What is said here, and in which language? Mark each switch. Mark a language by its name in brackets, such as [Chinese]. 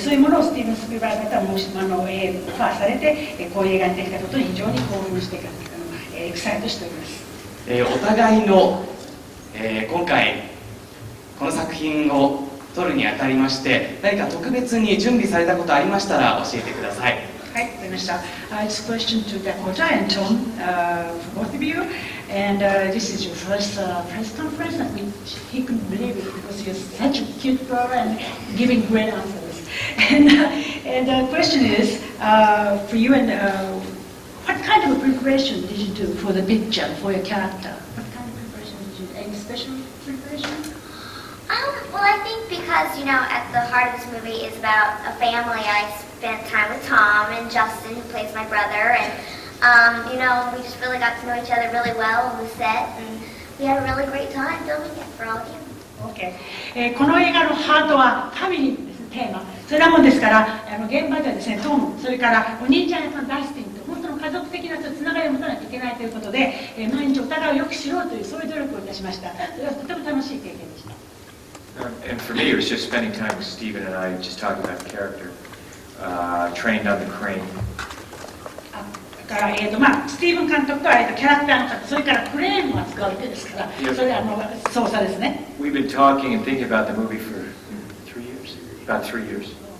[Japanese] そういうものをスティーブン・スピルバーグがもうオファーされて、こういう映画にできたことに非常に興奮して、エキサイトしております。お互いの、今回この作品を撮るにあたりまして何か特別に準備されたことありましたら教えてください。はい、わかりました。 [English] I have a question to Dakota and Tom, for both of you. And this is your first press conference. I mean, he couldn't believe it because he is such a cute girl and giving great answers. And the question is, for you and What kind of a preparation did you do for the picture, for your character? What kind of preparation did you do? Any special preparation? Well, I think because, you know, at the heart of this movie is about a family, I spent time with Tom and Justin, who plays my brother, and, you know, we just really got to know each other really well on the set, and we had a really great time filming it for all of you. Okay. [Japanese] この映画のハートはファミリーですね、テーマ。それもですから、現場ではですね、トム、それからお兄ちゃん役のダスティン、家族的なつながりを持たなきゃいけないということで、毎日お互いをよく知ろうというそういう努力をいたしました。それはとても楽しい経験でした。 [English] And for me, it was just spending time with Stephen and I just talking about the character, trained on the crane. [Japanese] だから、スティーブン監督とは、キャラクターの方、それからクレーンを扱うわけですから、 [English] yes. [Japanese] それは操作ですね。 [English] We've been talking and thinking about the movie for about three years.